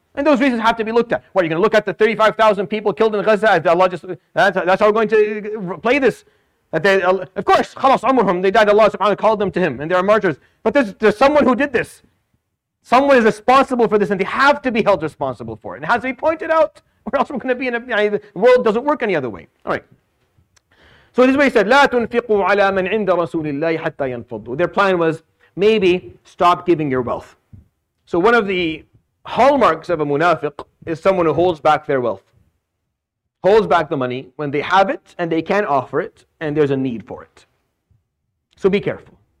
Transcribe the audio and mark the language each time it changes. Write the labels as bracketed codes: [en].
[en] And those reasons have to be looked at. What, are you going to look at the 35,000 people killed in Gaza as Allah just, that's how we're going to play this? That they, of course, [ar] خلاص عمرهم, [en] they died, Allah subhanahu wa ta'ala called them to him, and they are martyrs. But there's someone who did this. Someone is responsible for this, and they have to be held responsible for it. And it has to be pointed out, or else we're going to be in a... the world doesn't work any other way. All right. So this is what he said, [ar] لا تنفقوا على من عند رسول الله حتى ينفضوا. [en] Their plan was, maybe stop giving your wealth. So one of the hallmarks of a munafiq is someone who holds back their wealth. Holds back the money when they have it and they can offer it and there's a need for it. So be careful.